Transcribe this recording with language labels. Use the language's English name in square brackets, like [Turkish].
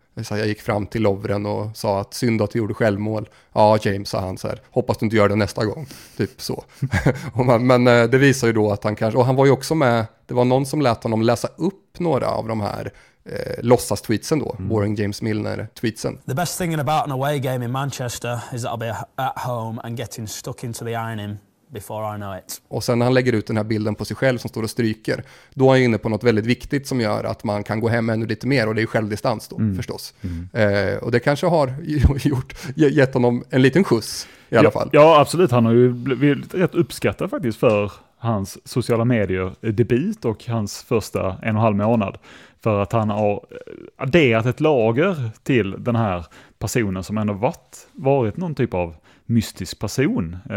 [Swedish] Jag gick fram till Lovren och sa att synd att du gjorde självmål. Ja, James, sa han så här. Hoppas du inte gör det nästa gång. Typ så. Men det visar ju då att han kanske... Och han var ju också med... Det var någon som lät honom läsa upp några av de här låtsas-tweetsen då. Mm. Boring James Milner-tweetsen. [English] The best thing about an away game in Manchester is that I'll be at home and getting stuck into the ironing before I know it. [Swedish] Och sen när han lägger ut den här bilden på sig själv som står och stryker, då är han inne på något väldigt viktigt som gör att man kan gå hem ännu lite mer, och det är självdistans då, förstås. Mm. Och det kanske har gjort, gett honom en liten skjuts i alla fall. Ja, absolut. Han har ju blivit rätt uppskattad faktiskt för hans sociala medier-debut och hans första en och halv månad, för att han har adderat ett lager till den här personen som ändå varit någon typ av mystisk person.